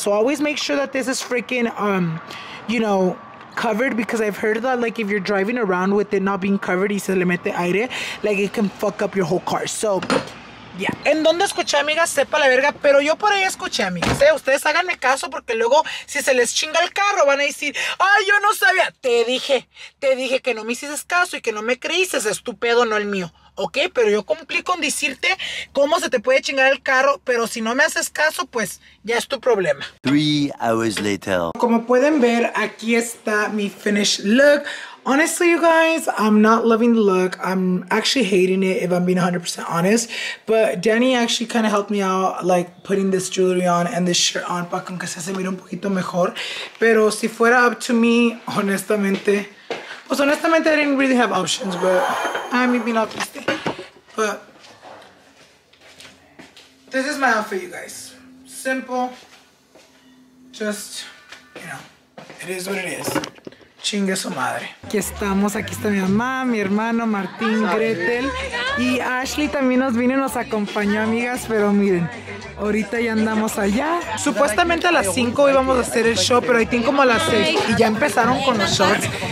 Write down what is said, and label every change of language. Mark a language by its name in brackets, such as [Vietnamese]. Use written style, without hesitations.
[English] So always make sure that this is freaking, you know, covered, because I've heard that like if you're driving around with it not being covered [Spanish] y se le mete aire, [English] like it can fuck up your whole car. So... Yeah. [Spanish] ¿En dónde escuché, amigas? Sepa la verga. Pero yo por ahí escuché, amigas. Ustedes háganme caso porque luego si se les chinga el carro van a decir, ¡ay, yo no sabía! Te dije que no me hiciste caso y que no me creíste. Es tu pedo, no el mío. ¿Ok? Pero yo cumplí con decirte cómo se te puede chingar el carro, pero si no me haces caso, pues ya es tu problema. [English] 3 hours later. [Spanish] Como pueden ver, aquí está mi [English] finished look. Honestly, you guys, I'm not loving the look. I'm actually hating it, if I'm being 100% honest. But Danny actually kind of helped me out, like, putting this jewelry on and this shirt on, [Spanish] para que se mire un poquito mejor. [English] Pero si fuera up to me, honestamente... [Spanish] Pues honestamente, [English] I didn't really have options, but... I mean, being autistic. But... This is my outfit, you guys. Simple. Just, you know, it is what it is. [Spanish] Chingue su madre. Aquí estamos, aquí está mi mamá, mi hermano, Martín, Gretel. Y Ashley también nos vino y nos acompañó, amigas. Pero miren, ahorita ya andamos allá. Supuestamente a las 5 íbamos a hacer el show, pero ahí tienen como a las 6 y ya empezaron con los shorts.